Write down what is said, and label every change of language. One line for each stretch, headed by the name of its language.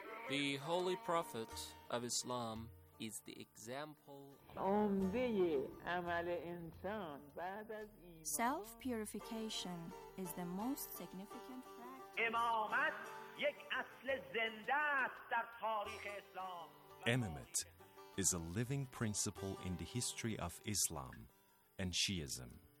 English: The holy prophet of Islam is the example of
Persian: عمل انسان بعد از ایمان.
English: Self purification is the most significant fact.
Persian: امامت یک اصل زنده است در تاریخ اسلام.
English: امامت is a living principle in the history of Islam and Shiism.